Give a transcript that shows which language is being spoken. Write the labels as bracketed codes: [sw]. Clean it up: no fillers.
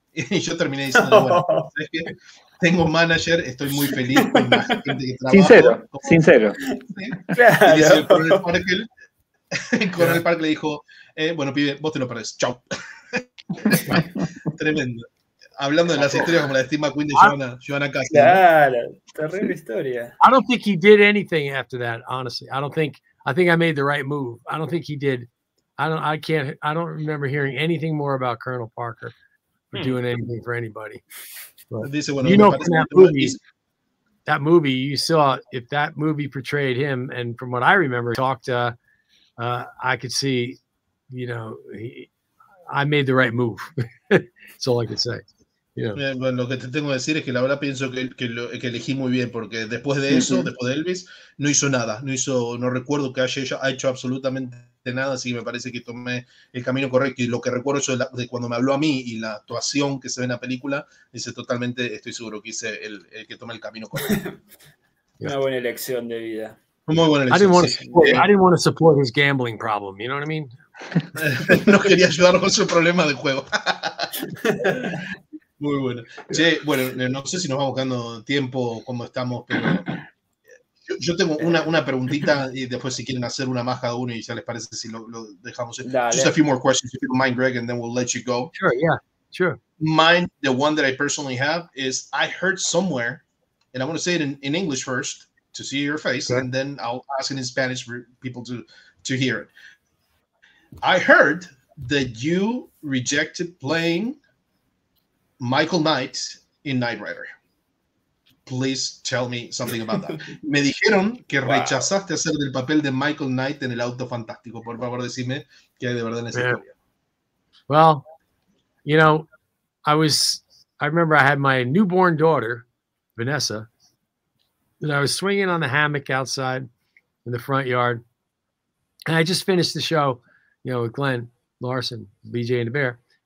[es] Y yo terminé diciendo, bueno, ¿sabes qué? Tengo un manager, estoy muy feliz con la gente que trabaja. Sincero, ¿cómo? Sincero. ¿Sí? Claro. Y dice, el coronel Parker le dijo, bueno, pibe, vos te lo perdés, chau. Tremendo. Hablando de las historias como la de Steve McQueen de Joanna Cassidy. Claro, terrible historia. [en] I don't think he did anything after that, honestly. I think I made the right move. I don't think he did. I don't remember hearing anything more about Colonel Parker or doing anything for anybody. [es] Dice, bueno, [en] you know, from that movie you saw, if that movie portrayed him, and from what I remember, I could see, you know, I made the right move. That's all I can say. Yeah. [es] Bueno, lo que te tengo que decir es que la verdad pienso que elegí muy bien, porque después de eso, después de Elvis, no hizo nada. No recuerdo que haya hecho absolutamente nada, así que me parece que tomé el camino correcto. Y lo que recuerdo eso de cuando me habló a mí y la actuación que se ve en la película, dice, totalmente estoy seguro que hice el que tomé el camino correcto. Una buena elección de vida. Muy buena elección. [en] I didn't want to support his gambling problem, you know what I mean? [es] No quería ayudar con su problema de juego. Muy bueno. Che, bueno, no sé si nos vamos quedando tiempo como estamos, pero yo tengo una preguntita y después si quieren hacer una más cada uno y ya les parece si lo dejamos. Dale. [en] Just a few more questions if you don't mind, Greg, and then we'll let you go. Sure, yeah, sure. Mine, the one that I personally have is I heard somewhere, and I want to say it in English first to see your face, okay. And then I'll ask it in Spanish for people to hear it. I heard that you rejected playing Michael Knight in Knight Rider. Please tell me something about that. [es] Me dijeron que rechazaste hacer el papel de Michael Knight en el auto fantástico. Por favor, decime qué hay de verdad en esa historia. [en] Well, you know, I remember I had my newborn daughter, Vanessa, and I was swinging on the hammock outside in the front yard. And I just finished the show, you know, with Glenn Larson, BJ and the Bear.